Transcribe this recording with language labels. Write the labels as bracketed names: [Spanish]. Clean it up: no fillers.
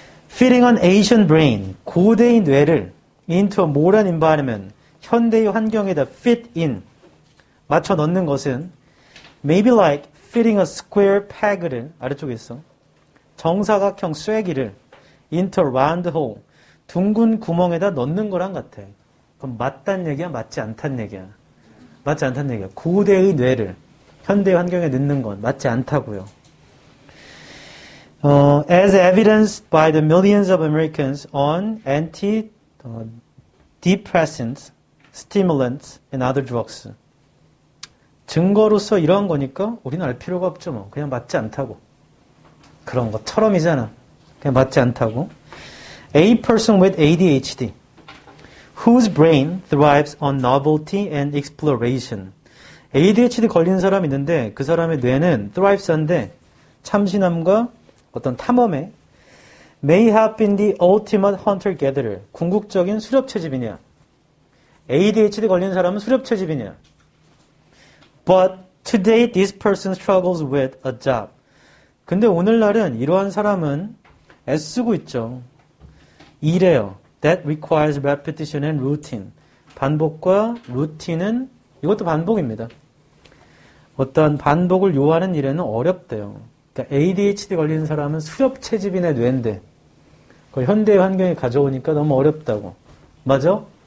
[English] Feeding an ancient brain, [Korean] 고대의 뇌를 [English] into a modern environment, [Korean] 현대의 환경에다 [English] fit in, [Korean] 맞춰 넣는 것은 [English] maybe like feeding a square peg [Korean] 를, 아래쪽에 있어, 정사각형 쐐기를 [English] into a round hole, [Korean] 둥근 구멍에다 넣는 거랑 같아. 그럼 맞단 얘기야? 맞지 않단 얘기야? 맞지 않단 얘기야. 고대의 뇌를 현대의 환경에 넣는 건 맞지 않다고요. [English] As evidenced by the millions of Americans on antidepressants, stimulants and other drugs. [Korean] 증거로서 이러한 거니까 우리는 알 필요가 없죠. 뭐. 그냥 맞지 않다고. 그런 것처럼이잖아. 그냥 맞지 않다고. [English] A person with ADHD whose brain thrives on novelty and exploration. [Korean] ADHD 걸린 사람이 있는데 그 사람의 뇌는 thrives한데 참신함과 어떤 탐험에 [English] may have been the ultimate hunter-gatherer. [Korean] 궁극적인 수렵채집이냐. ADHD 걸린 사람은 수렵채집이냐. [English] But today this person struggles with a job. [Korean] 근데 오늘날은 이러한 사람은 애쓰고 있죠. 일해요. [English] That requires repetition and routine. [Korean] 반복과 루틴은, 이것도 반복입니다. 어떤 반복을 요하는 일에는 어렵대요. 그러니까 ADHD 걸린 사람은 수렵채집인의 뇌인데 그걸 현대 환경에 가져오니까 너무 어렵다고. 맞아?